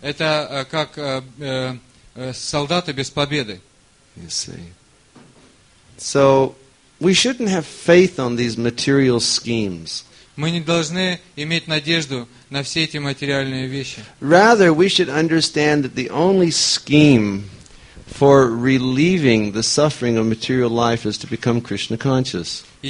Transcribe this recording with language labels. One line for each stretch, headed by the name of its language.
Russian: Это как солдаты без победы.
English: You see. So we shouldn't have faith on these material schemes.
Russian: Мы не должны иметь надежду на все эти материальные вещи.
English: Rather, we should understand that the only scheme for relieving the suffering of material life is to become Krishna conscious.